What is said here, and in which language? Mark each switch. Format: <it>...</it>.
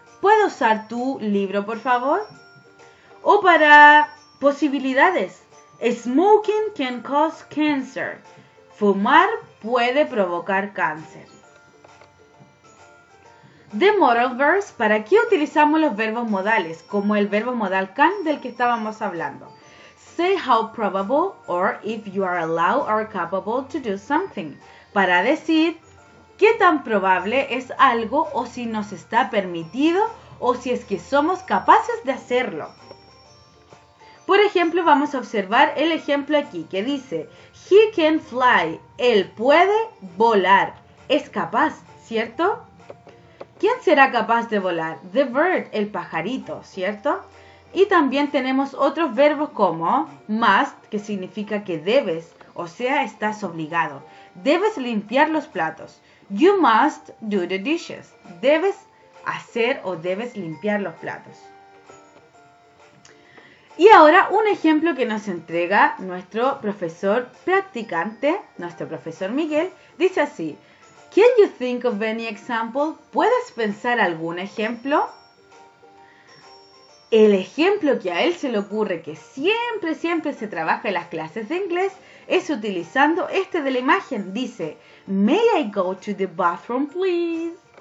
<es>¿Puedo usar tu libro, por favor? O para posibilidades.</es> <en>Smoking can cause cancer.</en> <es>Fumar puede provocar cáncer.</es> <en>The modal verbs.</en> <es>¿Para qué utilizamos los verbos modales? Como el verbo modal can del que estábamos hablando.</es> <en>Say how probable or if you are allowed or capable to do something.</en> <es>Para decir qué tan probable es algo o si nos está permitido o si es que somos capaces de hacerlo. Por ejemplo, vamos a observar el ejemplo aquí que dice</es> <en>He can fly.</en> <es>Él puede volar. Es capaz, ¿cierto? ¿Quién será capaz de volar? The bird, el pajarito, ¿cierto? Y también tenemos otros verbos como must, que significa que debes, o sea, estás obligado. Debes limpiar los platos.</es> <en>You must do the dishes.</en> <es>Debes hacer o debes limpiar los platos. Y ahora un ejemplo que nos entrega nuestro profesor practicante, nuestro profesor Miguel, dice así.</es> <en>Can you think of any example?</en> <es>¿Puedes pensar algún ejemplo? El ejemplo que a él se le ocurre que siempre se trabaja en las clases de inglés es utilizando este de la imagen. Dice,</es> <en>may I go to the bathroom, please?</en>